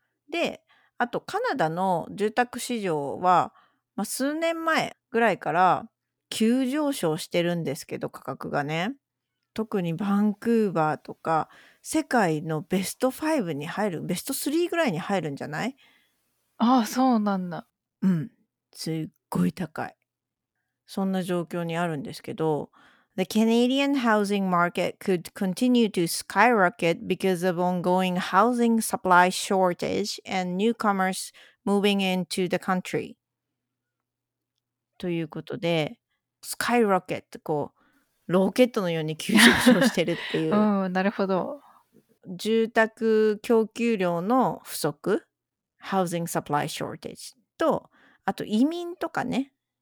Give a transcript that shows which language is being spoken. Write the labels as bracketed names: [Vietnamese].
[Japanese] で、あとカナダの住宅市場は、まあ、数年前ぐらいから急上昇してるんですけど、価格がね、特にバンクーバーとか世界のベスト5に入る、ベスト3ぐらいに入るんじゃない？ああ、そうなんだ。うん、すっごい高い。そんな状況にあるんですけど、 [English] The Canadian housing market could continue to skyrocket because of ongoing housing supply shortage and newcomers moving into the country. [Japanese] ということで、スカイロケット、こうロケットのように急上昇してるっていう。うん、なるほど。住宅供給量の不足、 [English] housing supply shortage [Japanese] と、あと移民とかね。